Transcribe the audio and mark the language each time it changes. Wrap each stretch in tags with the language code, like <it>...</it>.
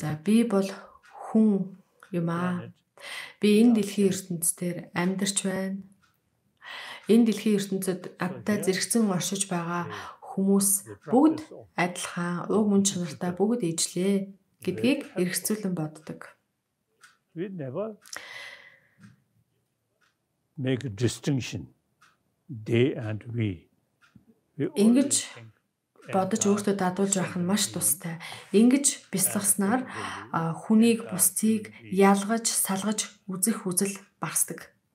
<mn>За би бол хүн юм аа. Би энэ дэлхийн ертөндсдэр амьдарч байна. Энэ дэлхийн ертөндсөд адтай зэрэгцэн оршиж байгаа хүмүүс бүгд адилхан, уг мөн чанартай бүгд ижлээ гэдгийг эргэцүүлэн боддог.</mn> <en>We never make a distinction they and we.</en> <mn>Ингэж бодож өөртөө дадуулж байх нь маш тустай. Ингэж бяцлахснаар хүнийг бусдыг ялгаж, салгаж үзэх үзэл багасдаг.</mn>